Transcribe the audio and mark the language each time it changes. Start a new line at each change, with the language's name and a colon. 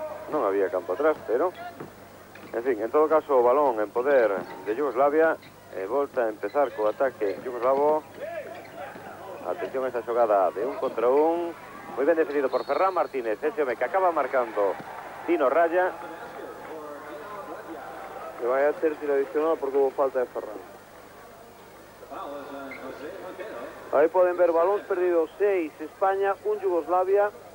Galician: Non había campo atrás, pero en fin, en todo caso, o balón en poder de Yugoslavia. Volta a empezar co ataque yugoslavo. Atención a esa xogada de un contra un.
Spanish: Muy bien defendido por Ferran Martínez, ese hombre que acaba marcando Dino Raya. Le va a hacer tiro adicional porque hubo falta de Ferran. Ahí pueden ver balones perdidos, 6 España, 1 Yugoslavia.